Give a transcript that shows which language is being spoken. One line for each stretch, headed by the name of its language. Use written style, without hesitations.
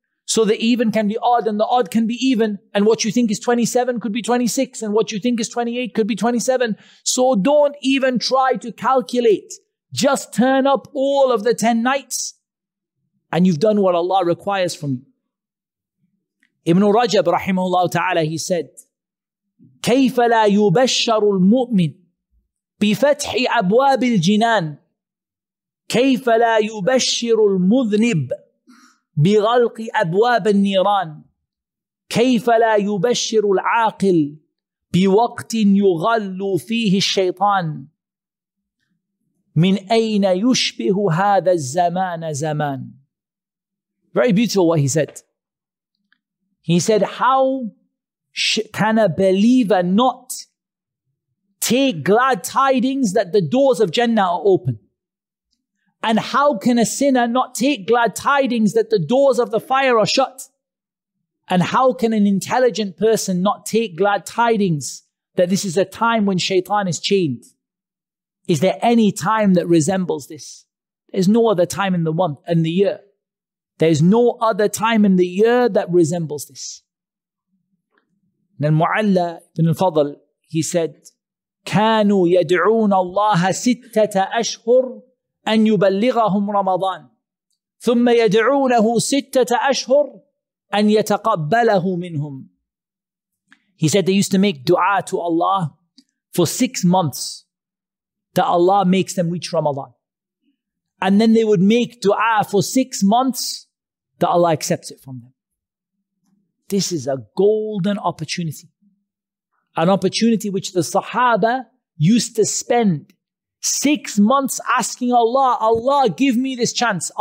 English: So the even can be odd and the odd can be even. And what you think is 27 could be 26. And what you think is 28 could be 27. So don't even try to calculate. Just turn up all of the 10 nights and you've done what Allah requires from you. Ibn Rajab, rahimahullah ta'ala, he said,
Arabic: كيف لا يبشر المؤمن بفتح أبواب الجنان كيف لا يبشر المذنب بغلق أبواب النيران كيف لا يبشر العاقل بوقت يغل فيه الشيطان من أين يشبه هذا الزمان زمان.
English: Very beautiful what he said. He said, how can a believer not take glad tidings that the doors of Jannah are open? And how can a sinner not take glad tidings that the doors of the fire are shut? And how can an intelligent person not take glad tidings that this is a time when shaitan is chained? Is there any time that resembles this? There's no other time in the month and the year. There's no other time in the year that resembles this. Al-Mu'alla ibn al-Fadl, he said,
Arabic: كانوا يدعون الله ستة أشهر أن يبلغهم رمضان ثم يدعونه ستة أشهر أن يتقبله منهم.
English: He said they used to make dua to Allah for 6 months that Allah makes them reach Ramadan. And then they would make dua for 6 months that Allah accepts it from them. This is a golden opportunity. An opportunity which the Sahaba used to spend 6 months asking Allah, Allah, give me this chance.